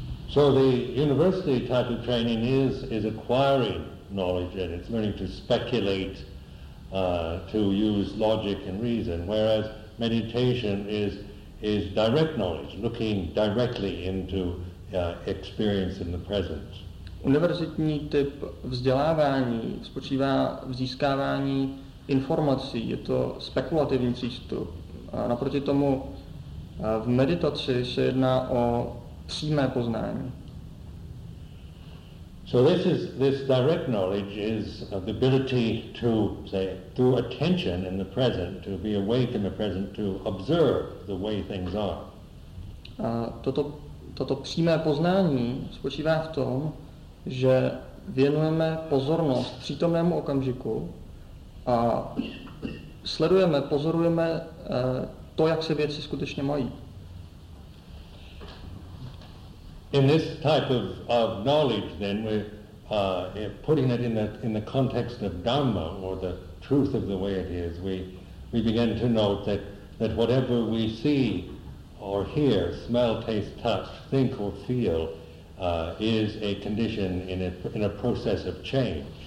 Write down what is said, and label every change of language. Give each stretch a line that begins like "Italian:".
English: So the university type of training is acquiring knowledge and it's learning to speculate, to use logic and reason, whereas meditation is direct knowledge, looking directly into experience in the present.
Czech: Univerzitní typ vzdělávání spočívá v získávání informací, je to spekulativní přístup. A naproti tomu v meditaci se jedná o přímé poznání.
English: So this direct knowledge is the ability to say through attention in the present, to be awake in the present, to observe the way things are.
Czech: A toto přímé poznání spočívá v tom, že věnujeme pozornost přítomnému okamžiku a sledujeme, pozorujeme to, jak se věci skutečně mají.
English: In this type of knowledge, then we're putting it in the context of Dhamma or the truth of the way it is, we begin to note that whatever we see or hear, smell, taste, touch, think or feel, is a condition in a process of change.